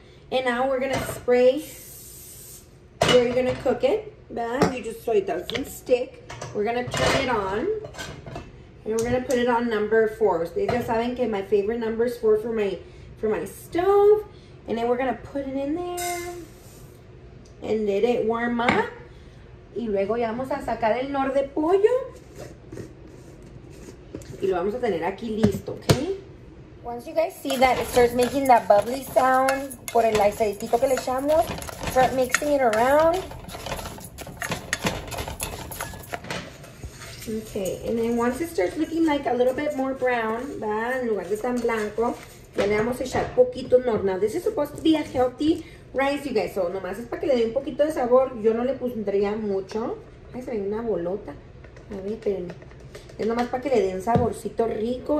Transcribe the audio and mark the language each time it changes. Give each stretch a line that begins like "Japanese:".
English: And now we're gonna spray where you're gonna cook it. Bad. You just so it doesn't stick. We're gonna turn it on, and we're gonna put it on number 4. They just
Spanish: saben que
English: my favorite number is 4 for my stove, and then we're gonna put it in there and let it warm up.
Spanish: Y luego ya vamos a sacar el nor de pollo y lo vamos a tener aquí listo, okay?
English: Once you guys see that it starts making that bubbly sound
Spanish: por el aceitito que le echamos,
English: start mixing it around. Okay, and then once it starts looking like a little bit more brown,
Spanish: ¿verdad? En lugar de tan blanco, ya le vamos a echar poquito nor.
English: Now, this is supposed to be a healthy rice, you guys.
Spanish: So, nomás es para que le dé un poquito de sabor. Yo no le pondría mucho. Ay, se ve una bolota. A ver, espérenme. Es nomás para que le dé un saborcito rico.